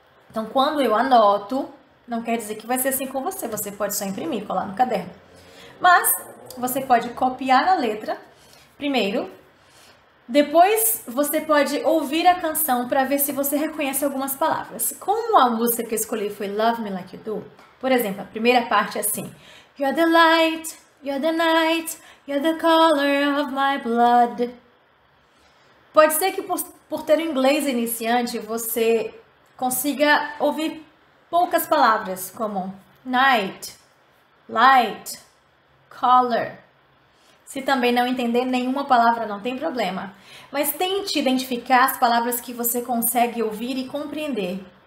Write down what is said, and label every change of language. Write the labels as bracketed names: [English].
[Portuguese] Então, quando eu anoto, não quer dizer que vai ser assim com você, você pode só imprimir, colar no caderno. Mas, você pode copiar a letra, primeiro. Depois, você pode ouvir a canção para ver se você reconhece algumas palavras. Como a música que eu escolhi foi Love Me Like You Do, por exemplo, a primeira parte é assim. [English] You're the light, you're the night, you're the color of my blood. [Portuguese] Pode ser que por ter o inglês iniciante, você consiga ouvir poucas palavras, como night, light, color. Se também não entender nenhuma palavra, não tem problema. Mas tente identificar as palavras que você consegue ouvir e compreender.